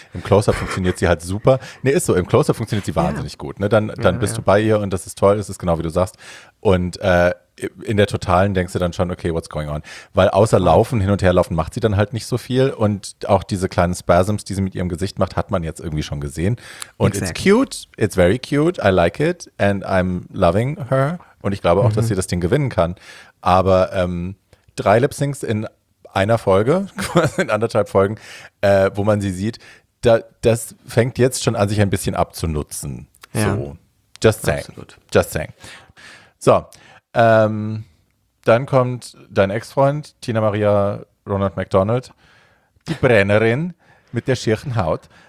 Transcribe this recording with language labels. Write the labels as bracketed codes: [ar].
[de] Im Close-Up funktioniert sie halt super. Nee, ist so, im Close-Up funktioniert sie wahnsinnig gut. Ne? Dann bist du bei ihr und das ist toll, das ist genau wie du sagst. Und in der Totalen denkst du dann schon, okay, [en] what's going on? [de] Weil außer Laufen, hin und her laufen, macht sie dann halt nicht so viel. Und auch diese kleinen Spasms, die sie mit ihrem Gesicht macht, hat man jetzt irgendwie schon gesehen. Und [en] it's cute, it's very cute, I like it and I'm loving her. [de] Und ich glaube auch, dass sie das Ding gewinnen kann. Aber 3 Lip-Syncs in einer Folge, in anderthalb Folgen, wo man sie sieht, das fängt jetzt schon an, sich ein bisschen abzunutzen. Ja. [en] So. Just saying. [de] Absolut. [en] Just saying. [de] So, dann kommt dein Ex-Freund, Tina Maria Ronald McDonald, die Brennerin mit der schieren Haut.